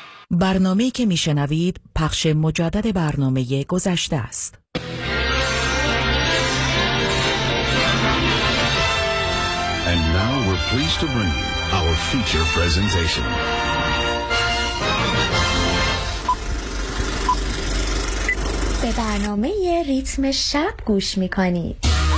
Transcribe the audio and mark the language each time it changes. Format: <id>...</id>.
<fa>برنامه‌ای که می‌شنوید پخش مجدد برنامه گذشته است.</fa> <en>And now we're pleased to bring you our feature presentation.</en> <fa>به برنامه ریتم شب گوش میکنید.</fa>